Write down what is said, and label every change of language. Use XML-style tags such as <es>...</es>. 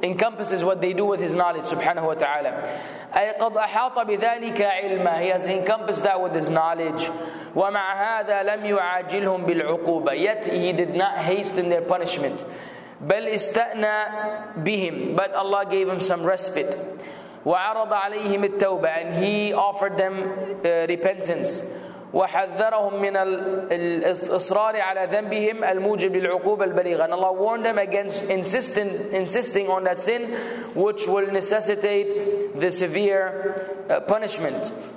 <en>encompasses what they do with his knowledge, subhanahu wa ta'ala.</en> <ar>أي قد أحاط بذلك علما.</ar> <en>He has encompassed that with his knowledge.</en> <ar>ومع هذا لم يعاجلهم بالعقوبة.</ar> <en>Yet he did not hasten their punishment.</en> <ar>بل استأنى بهم.</ar> <en>But Allah gave him some respite.</en> <ar>وعرض عليهم التوبة.</ar> <en>And he offered them repentance.</en> <ar>وحذرهم من الإصرار على ذنبهم الموجب للعقوبة البليغة.</ar> <en>And Allah warned them against insisting on that sin, which will necessitate the severe punishment.</en>